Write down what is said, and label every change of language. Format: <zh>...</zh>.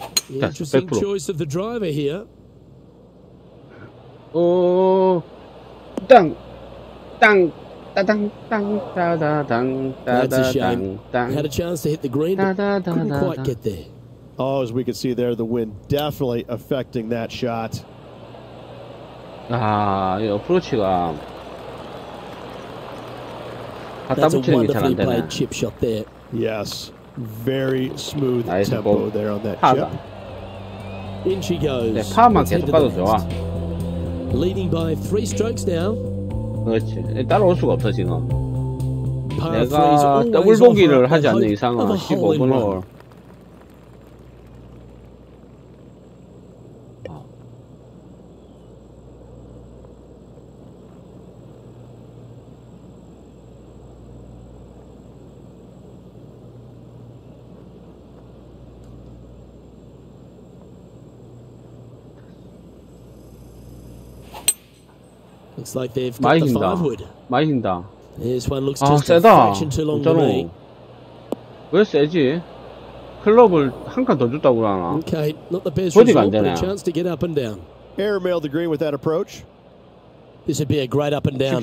<en>100% choice of the driver here. 오, 땅, 땅, 따당, 땅, 따다당, 따다당, 땅. Had a chance to hit the green, but couldn't quite get there. Oh, as we can see there, the wind definitely affecting that shot.</en> <ko>아, 이 어프로치가. 갖다 붙이는 게 잘 안 되네.</ko> <en>Chip shot there. Yes, very smooth tempo there on that chip. In she goes.</en> <ko>네, 파만 계속 가도 좋아.</ko> <en>Leading by three strokes now.</en> <ko>그렇지. 따라올 수가 없어 지금. 내가 더블 보기를 하지 않는 이상은 15번 홀. 많이 힌다. 많이 힌다. 아, 세다. 진짜로. 왜 세지? 클럽을 한 칸 더 줬다고 그러나? 버디가 안 되네.</ko> <en>에어메일 더 그린 with that approach. This would be a great up and down.</en>